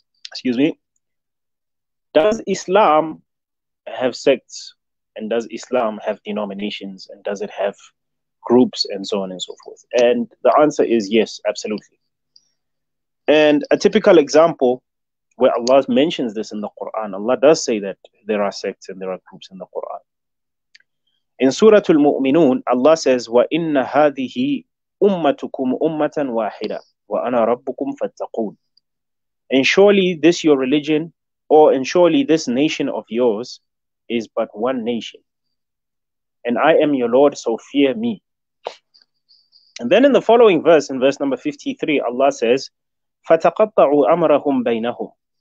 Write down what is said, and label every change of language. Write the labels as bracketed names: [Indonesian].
[English] Excuse me. Does Islam have sects, and does Islam have denominations, and does it have groups, and so on and so forth? And the answer is yes, absolutely. And a typical example where Allah mentions this in the Quran, Allah does say that there are sects and there are groups in the Quran. In Surah Al-Mu'minun, Allah says, [Arabic] وَإِنَّ هَذِهِ أُمَّتُكُمْ أُمَّةً وَاحِدًا وَأَنَا رَبُّكُمْ فَاتَّقُونَ. [English] And surely this your religion, or and surely this nation of yours is but one nation. And I am your Lord, so fear me. And then in the following verse, in verse number 53, Allah says, [Arabic] فَتَقَطَّعُوا أَمْرَهُمْ بَيْنَهُمْ.